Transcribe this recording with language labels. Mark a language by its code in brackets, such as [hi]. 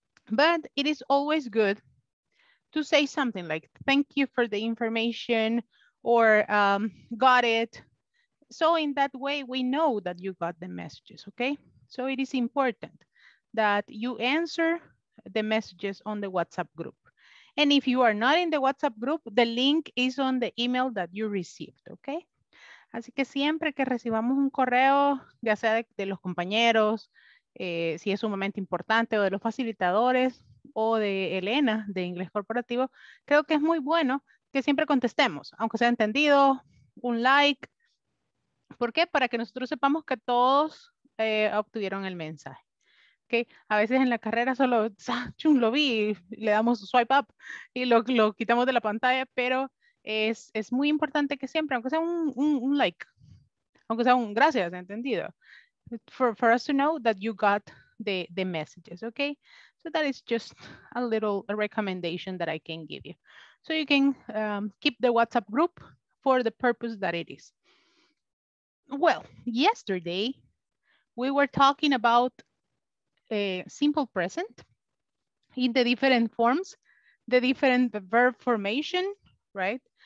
[en] But it is always good to say something like, thank you for the information, or got it. So in that way, we know that you got the messages, okay? So it is important that you answer the messages on the WhatsApp group. And if you are not in the WhatsApp group, the link is on the email that you received, okay? [es] Así que siempre que recibamos un correo, ya sea de los compañeros, si es sumamente importante, o de los facilitadores, o de Elena, de Inglés Corporativo, creo que es muy bueno que siempre contestemos, aunque sea entendido, un like. ¿Por qué? Para que nosotros sepamos que todos obtuvieron el mensaje. ¿Okay? A veces en la carrera solo chum, lo vi, le damos swipe up y lo quitamos de la pantalla, pero es muy importante que siempre, aunque sea un like, aunque sea un gracias, entendido. [en] For us to know that you got the messages, okay? So that is just a little recommendation that I can give you. So you can keep the WhatsApp group for the purpose that it is. Well, yesterday we were talking about a simple present in the different forms, the different verb formation, right?